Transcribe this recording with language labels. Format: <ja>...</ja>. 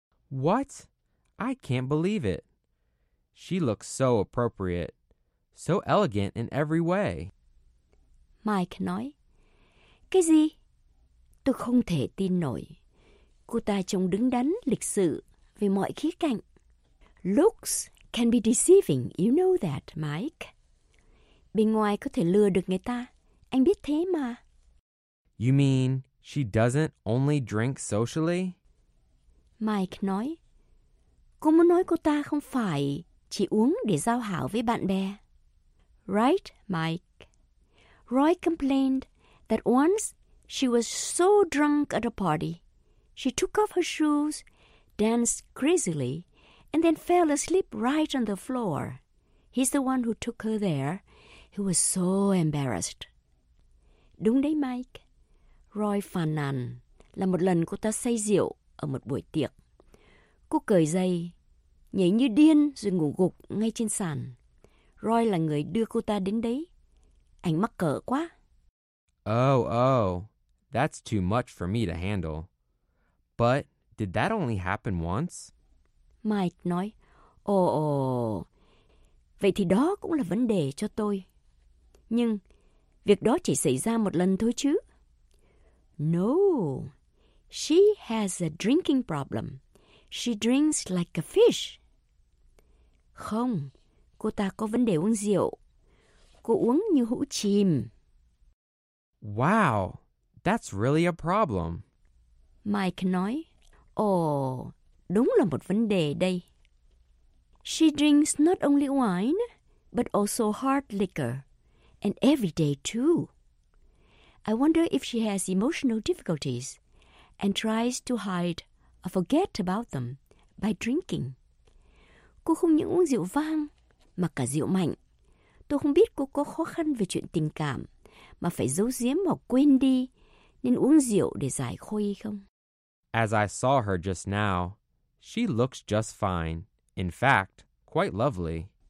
<en>What? I can't believe it. She looks so appropriate, so elegant in every way.</en> <vi>Mike nói, cái gì? Tôi không thể tin nổi. Cô ta trông đứng đắn, lịch sự về mọi khía cạnh.</vi> <en>Looks can be deceiving, you know that, Mike.</en> <vi>Bên ngoài có thể lừa được người ta, anh biết thế mà.</vi> <en>You mean she doesn't only drink socially?</en> <vi>Mike nói, cô muốn nói cô ta không phải chỉ uống để giao hảo với bạn bè.</vi> <en>Right, Mike. Roy complained that once she was so drunk at a party, she took off her shoes, danced crazily, and then fell asleep right on the floor. He's the one who took her there. He was so embarrassed.</en> <vi>Đúng đấy, Mike. Roy phàn nàn là một lần cô ta say rượu ở một buổi tiệc. Cô cởi giày, nhảy như điên rồi ngủ gục ngay trên sàn. Roy là người đưa cô ta đến đấy. Anh mắc cỡ quá.</vi> <en>Oh, that's too much for me to handle. But did that only happen once?</en> <vi>Mike nói, vậy thì đó cũng là vấn đề cho tôi. Nhưng việc đó chỉ xảy ra một lần thôi chứ.</vi> <en>No, she has a drinking problem. She drinks like a fish.</en> <vi>Không, cô ta có vấn đề uống rượu. Cô uống như hũ chìm.</vi> <en>Wow, that's really a problem.</en> <vi>Mike nói, đúng là một vấn đề đây.</vi> <en>She drinks not only wine, but also hard liquor, and every day too. I wonder if she has emotional difficulties and tries to hide or forget about them by drinking.</en> <vi>Cô không những uống rượu vang, mà cả rượu mạnh. Tôi không biết cô có khó khăn về chuyện tình cảm, mà phải giấu giếm hoặc quên đi, nên uống rượu để giải khuây không?</vi> <en>As I saw her just now, she looks just fine. In fact, quite lovely.</en>